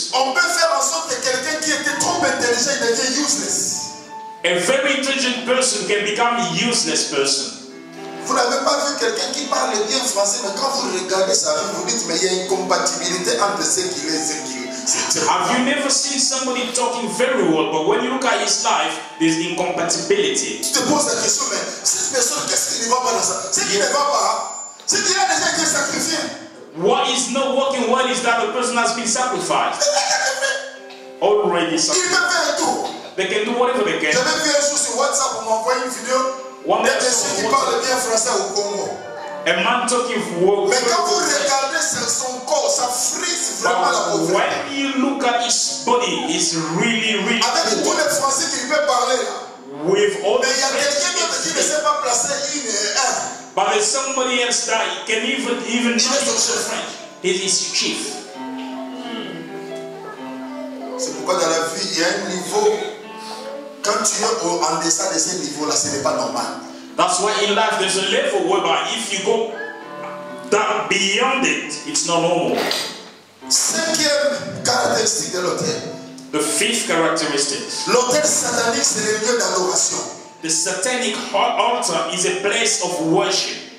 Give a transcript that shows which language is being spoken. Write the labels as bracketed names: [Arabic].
[French] on peut faire en sorte que quelqu'un qui était trop intelligent devient useless. [English] A very intelligent person can become a useless person. [French] Vous n'avez pas vu quelqu'un qui parle bien français, mais quand vous regardez ça, vous dites mais il y a une compatibilité entre ce qu'il est et [English] Have you never seen somebody talking very well, but when you look at his life, there's incompatibility? [French] Tu te poses la question, mais cette personne, qu'est-ce qui ne va pas dans ça? Ce qui ne va pas, c'est qu'il a déjà été sacrifié. [English] What is not working well is that the person has been sacrificed. Already sacrificed. [French] Il peut faire tout. [English] They can do whatever they can. [French] J'avais vu un jour sur WhatsApp pour m'envoyer une vidéo. [English] One [French] de monsieur qui parle bien français au Congo. [English] A man talking for [French] mais quand vous regardez son corps, ça frise vraiment la pauvreté. [English] When you look at his body, it's really, really. [French] Avec [English] poor. [French] Tous les Français qu'il peut parler. [English] With all [French] mais il y a quelqu'un d'autre qui ne sait pas placer une et un. [English] But there's somebody else that he can even he not use French. He's his chief. [French] C'est pourquoi dans la vie, il y a un niveau. Quand tu es en deçà de ce niveau-là, ce n'est pas normal. [English] That's why in life there's a level whereby if you go down beyond it, it's not normal. [French] Cinquième caractéristique de l'autel. [English] The fifth characteristic. [French] L'autel satanique, c'est le lieu d'adoration. [English] The satanic altar is a place of worship.